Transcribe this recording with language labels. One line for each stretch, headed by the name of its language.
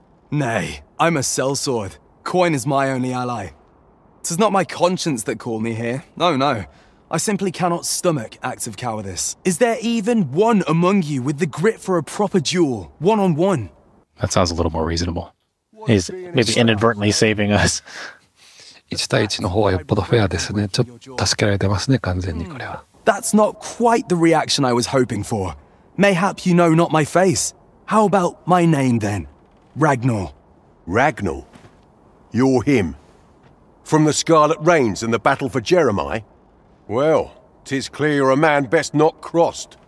English: Nay, I'm a sellsword. Coin is my only ally. 'Tis not my conscience that called me here. No, no. I simply cannot stomach acts of cowardice. Is there even one among you with the grit for a proper duel, one-on-one? That sounds a little more reasonable. He's maybe inadvertently saving us.
Japanese: 1対1の方はよっぽどフェアですね。ちょっと助けられてますね、完全にこれは。
English: That's not quite the reaction I was hoping for. Mayhap you know not my face. How about my name then? Ragnar. Ragnar? You're him. From the Scarlet Rains and the Battle for Jeremiah? Well, 'tis clear you're a man best not crossed.